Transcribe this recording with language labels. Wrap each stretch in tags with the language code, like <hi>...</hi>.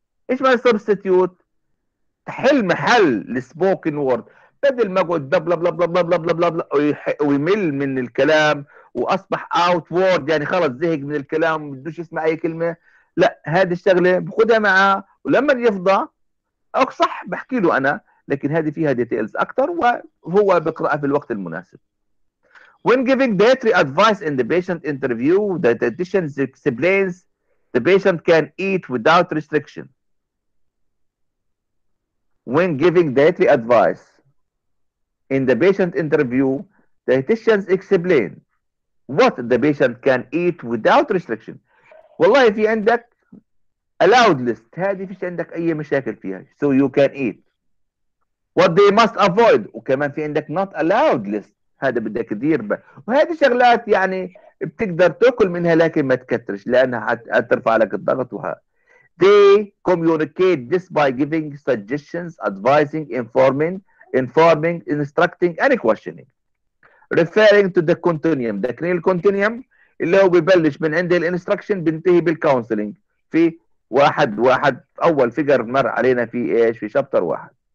<ar>ايش معنى substitute؟ تحل محل السبوكن وورد، بدل ما قلت بلا بلا بلا بلا بلا بلا بلا بلا ويمل من الكلام واصبح اوت وورد، يعني خلص زهق من الكلام ما بدوش يسمع اي كلمه. لا، هذه الشغله بخدها معاه ولما يفضى صح بحكي له انا، لكن هذه فيها ديتيلز اكثر وهو بقراها في الوقت المناسب.</ar> <en>When giving dietary advice in the patient interview, the dietitian explains the patient can eat without restriction. When giving dietary advice in the patient interview, dietitians explain what the patient can eat without restriction.</en> <ar>والله في عندك</ar> <en>allowed list،</en> <ar>هذه فيش عندك أي مشاكل فيها،</ar> <en>so you can eat. What they must avoid،</en> <ar>وكمان في عندك</ar> <en>not allowed list،</en> <ar>هذا بدك تدير به. وهذه شغلات يعني بتقدر تأكل منها لكن ما تكترش لأنها هترفع لك الضغط. وها</ar> <en>they communicate this by giving suggestions, advising, informing, instructing, and questioning. Referring to the continuum. The clinical continuum</en> <ar>اللي هو ببلش من عند الانستركشن بنتهي بالكونسلينج. في واحد واحد اول فيجر مر علينا في ايش؟ في شابتر واحد.</ar>